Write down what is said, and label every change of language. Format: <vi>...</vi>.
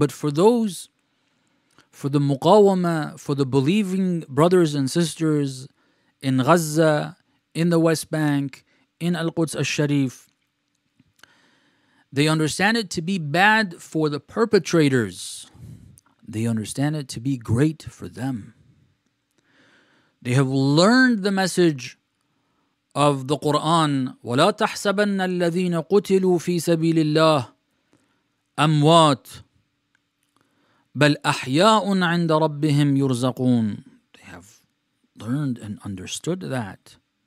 <en>But for those, for the muqawama, for the believing brothers and sisters in Gaza, in the West Bank, in Al-Quds al-Sharif, they understand it to be bad for the perpetrators. They understand it to be great for them. They have learned the message of the Quran,</en> <ar>وَلَا تَحْسَبَنَّ الَّذِينَ قُتِلُوا فِي سَبِيلِ اللَّهِ أَمْوَاتٍ بَلْ أَحْيَاءٌ عِنْدَ رَبِّهِمْ يُرْزَقُونَ.</ar> <en>They have learned and understood that.</en>